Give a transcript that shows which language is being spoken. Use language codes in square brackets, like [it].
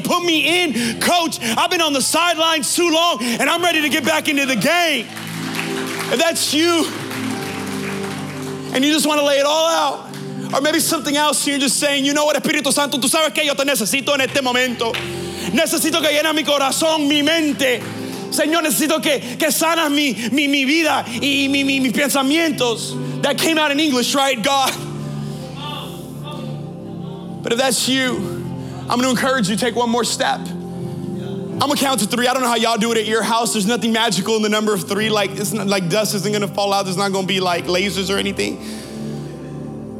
[en] Put me in, coach. I've been on the sidelines too long, and I'm ready to get back into the game. If that's you, and you just want to lay it all out, or maybe something else, you're just saying, you know what, [es] Espíritu Santo, tú sabes que yo te necesito en este momento. Necesito que llenes mi corazón, mi mente. Señor, necesito que sanas mi vida y mi pensamientos. [en] That came out in English, right, God? But if that's you, I'm going to encourage you to take one more step. I'm going to count to three. I don't know how y'all do it at your house. There's nothing magical in the number of three. Like, it's not, like, dust isn't going to fall out. There's not going to be like lasers or anything.